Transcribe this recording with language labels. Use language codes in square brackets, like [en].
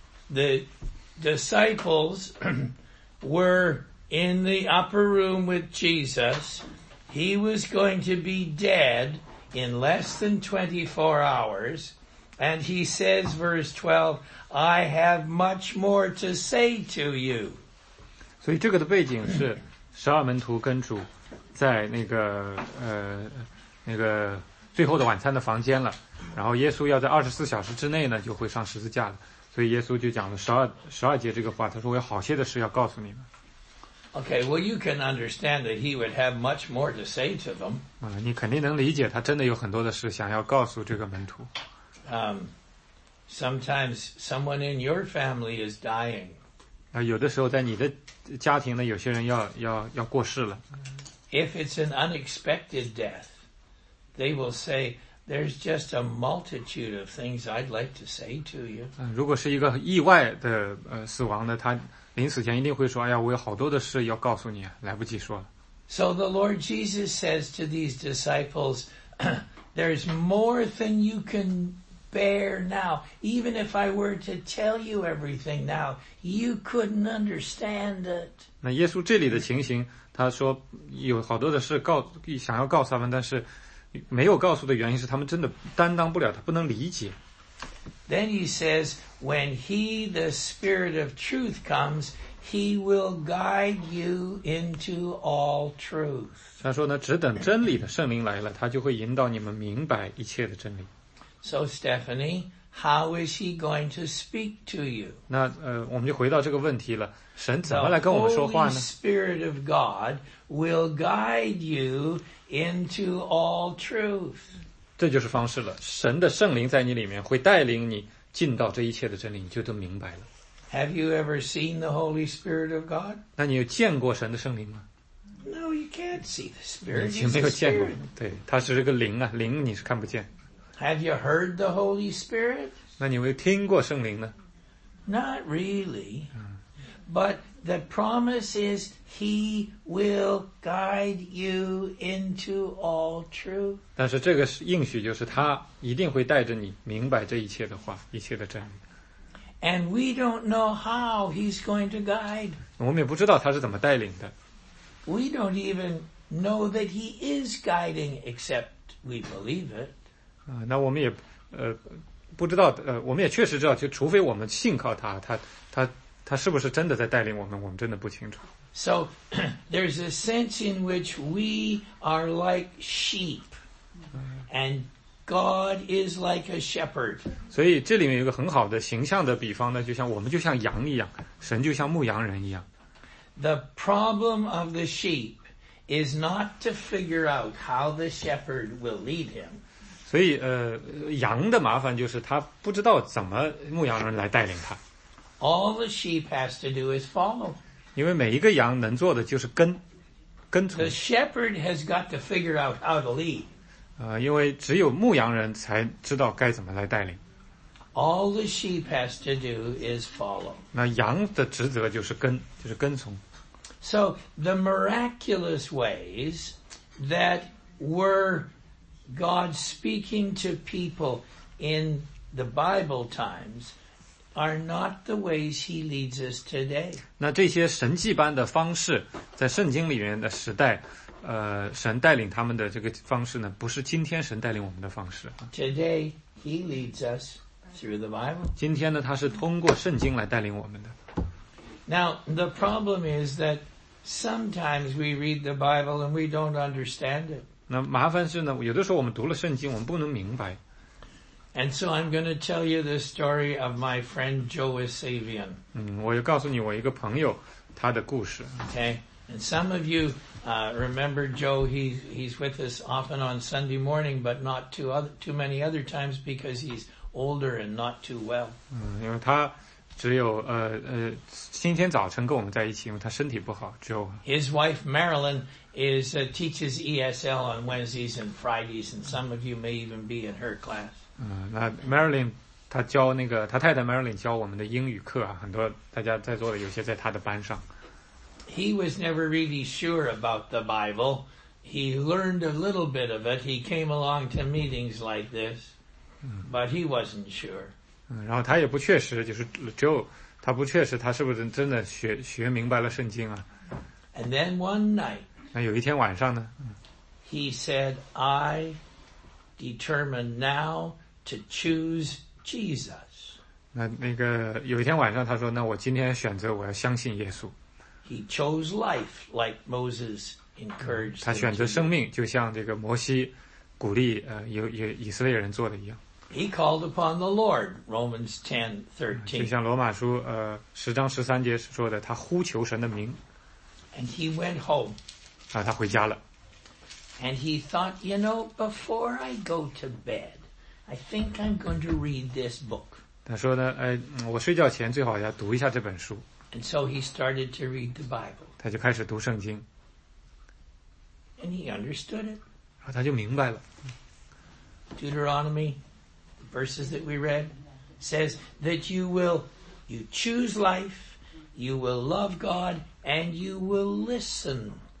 [en] The disciples were in the upper room with Jesus. He was going to be dead in less than 24 hours. And he says, verse 12, I have much more to say to you. [zh] 所以这个的背景是十二门徒跟主在那个最后的晚餐的房间了，然后耶稣要在24小时之内呢就会上十字架了，所以耶稣就讲了十二节这个话，他说我有好些的事要告诉你们。 [en] Okay, well you can understand that he would have much more to say to them. [zh] 你肯定能理解他真的有很多的事想要告诉这个门徒。 [en] Sometimes someone in your family is dying. [zh] 有的时候在你的家庭呢有些人要过世了。 [en] If it's an unexpected death, they will say,There's just a multitude of things I'd like to say to you. [zh] 如果是一个意外的死亡呢，他临死前一定会说，哎呀，我有好多的事要告诉你，来不及说了。 [en] So the Lord Jesus says to these disciples, there's more than you can bear now. Even if I were to tell you everything now, you couldn't understand it. [zh] 那耶稣这里的情形，他说有好多的事想要告诉他们，但是没有告诉的原因是他们真的担当不了，他不能理解。 [en] Then he says, when he, the Spirit of truth, comes, he will guide you into all truth. [zh] 他说呢，只等真理的圣灵来了，他就会引导你们明白一切的真理。 [en] So Stephanie, how is he going to speak to you? [zh] 那我们就回到这个问题了，神怎么来跟我们说话呢？ [en] The Holy Spirit of God will guide you. Into all truth. [zh] 这就是方式了。神的圣灵在你里面会带领你进到这一切的真理，你就都明白了。 [en] Have you ever seen the Holy Spirit of God? [zh] 那你有见过神的圣灵吗？ [en] No, you can't see the Spirit. [zh] 你没有见过。对，它是这个灵啊，灵你是看不见。 [en] Have you heard the Holy Spirit? [zh] 那你有没有听过圣灵呢？ [en] Not really. But the promise is,He will guide you into all truth. [zh] 但是这个应许就是他一定会带着你明白这一切的话，一切的真理。 [en] And we don't know how he's going to guide. [zh] 我们也不知道他是怎么带领的。 [en] We don't even know that he is guiding except we believe it. [zh] 那我们也不知道我们也确实知道，就除非我们信靠他，他是不是真的在带领我们，我们真的不清楚。 [en] So, there's a sense in which we are like sheep, and God is like a shepherd. [zh] 所以这里面有一个很好的形象的比方呢，就像我们就像羊一样，神就像牧羊人一样。 [en] The problem of the sheep is not to figure out how the shepherd will lead him. [zh] 所以羊的麻烦就是他不知道怎么牧羊人来带领他。 [en] All the sheep has to do is follow. [zh] 因为每一个羊能做的就是跟从。 [en] The shepherd has got to figure out how to lead. [zh] 因为只有牧羊人才知道该怎么来带领。 [en] All the sheep has to do is follow. [zh] 那羊的职责就是跟从。 [en] So the miraculous ways that were God speaking to people in the Bible times are not the ways he leads us today. [zh] 那这些神迹般的方式在圣经里面的时代神带领他们的这个方式呢不是今天神带领我们的方式。 [en] Today, he leads us through the Bible. [zh] 今天呢他是通过圣经来带领我们的。 [en] Now, the problem is that sometimes we read the Bible and we don't understand it. [zh] 那麻烦是呢有的时候我们读了圣经我们不能明白。 [en] And so I'm going to tell you the story of my friend Joe Savian. [zh] 嗯，我要告诉你我一个朋友他的故事。 [en] Okay, and some of you remember Joe. He's with us often on Sunday morning, but not too many other times because he's older and not too well. [zh] 嗯，因为他只有今天早晨跟我们在一起，因为他身体不好。 [en] Joe. His wife Marilyn teaches ESL on Wednesdays and Fridays, and some of you may even be in her class. [zh] 嗯，那 Marilyn 她教那个她太太 Marilyn 教我们的英语课啊，很多大家在座的有些在她的班上。 [en] He was never really sure about the Bible. He learned a little bit of it. He came along to meetings like this, but he wasn't sure. [zh] 嗯，然后他也不确实，就是 Joe， 他不确实他是不是真的学明白了圣经啊。 [en] And then one night， [zh] 那有一天晚上呢 [en] ，He said, "I determine now." To choose Jesus. [zh] 那个有一天晚上他说那我今天选择我要相信耶稣。 [en] He chose life like Moses encouraged. [zh] 他选择生命就像这个摩西鼓励有以色列人做的一样。 [en] He called upon the Lord, Romans 10:13. [zh] 就像罗马书十章十三节说的他呼求神的名。 [en] And he went home. [zh] 啊他回家了。 [en] And he thought, you know, before I go to bed,I think I'm going to read this book. [zh] 他说呢，哎，我睡觉前最好要读一下这本书。 [en] And so he started to read the Bible. [zh] 他就开始读圣经。 [en] And he understood it. [zh] 然后他就明白了。 [en] Deuteronomy, the verses that we read, says that you choose life, you will love God, and you will listen.